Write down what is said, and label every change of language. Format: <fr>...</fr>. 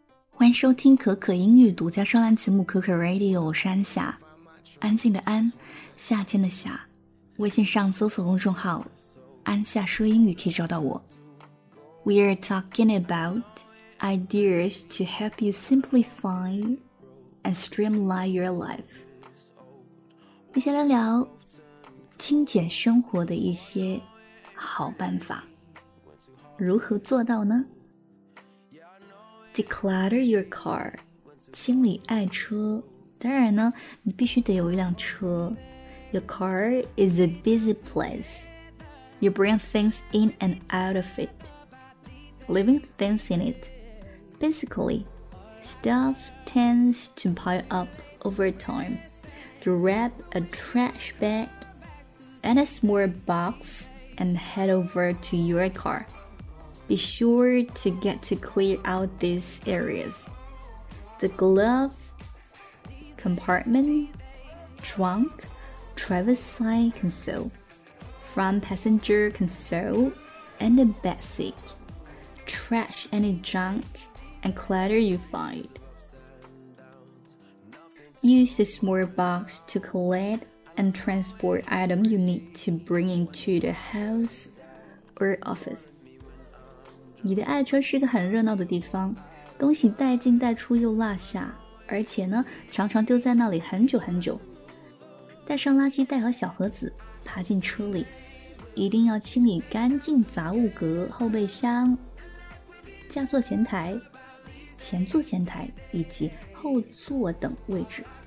<zh>欢迎收听可可英语独家专栏节目可可 Radio， 我是安夏，安静的安，夏天的夏。微信上搜索公众号安夏说英语可以找到我。</zh> <en>We are talking about ideas to help you simplify and streamline your life。</en> <zh>我先来聊精简生活的一些好办法，如何做到呢？</zh> <en>Declutter your car，</en> <zh>清理爱车。当然呢，你必须得有一辆车。</zh> <en>Your car is a busy place. You bring things in and out of it, leaving things in it. Basically, stuff tends to pile up over time. Grab a trash bag and a small box and head over to your car. Be sure to get to clear out these areas. The glove compartment, trunk, driver's side console, front passenger console, and the back seat. Trash any junk and clutter you find. Use the small box to collect and transport items you need to bring into the house or office.</en> <zh>你的爱车是一个很热闹的地方，东西带进带出又落下，而且呢，常常丢在那里很久很久。带上垃圾袋和小盒子，爬进车里，一定要清理干净杂物格、后备箱、驾座前台、前座前台以及后座等位置。</zh>